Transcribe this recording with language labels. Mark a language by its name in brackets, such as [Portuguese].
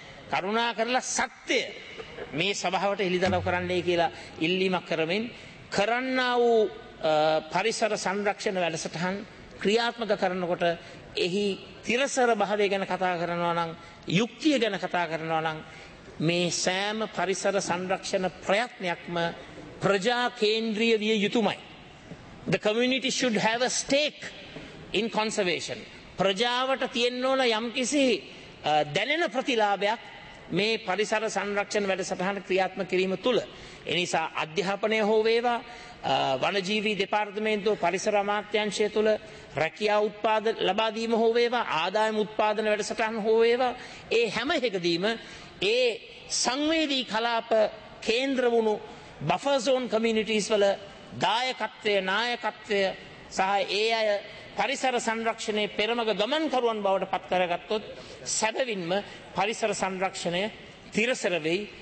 [Sinhala] කරුණාකරලා සත්‍ය මේ සභාවට එළිදරව් කරන්නයි කියලා ඉල්ලීමක් කරමින් කරන්නා වූ පරිසර සංරක්ෂණ වැඩසටහන් ක්‍රියාත්මක කරනකොට එහි තිරසර භාවය ගැන කතා කරනවා නම්, යුක්තිය ගැන කතා කරනවා නම්, මේ සෑම පරිසර සංරක්ෂණ ප්‍රයත්නයක්ම ප්‍රජා කේන්ද්‍රීය විය යුතුමයි. [English] The community should have a stake in conservation. [Sinhala] ප්‍රජාවට තියෙන්න ඕන යම්කිසි දැනෙන ප්‍රතිලාභයක් මේ පරිසර සංරක්ෂණ වැඩසටහන ක්‍රියාත්මක කිරීම තුළ. ඒ නිසා අධ්‍යාපනය හෝ වේවා, වනජීවී දෙපාර්තමේන්තුව පරිසර අමාත්‍යාංශය තුළ රැකියා උත්පාදන ලබා දීම හෝ වේවා, ආදායම් උත්පාදන වැඩසටහන් හෝ වේවා, ඒ හැම එකදීම ඒ සංවේදී කලාප කේන්ද්‍ර වුණු බෆර් සෝන් කමියුනිටීස් වල දායකත්වය, නායකත්වය සහ ඒ අය පරිසර සංරක්ෂණයේ පෙරමග ගමන්කරුවන් බවට පත් කරගත්තොත් සැබවින්ම පරිසර සංරක්ෂණය තිරසර වෙයි.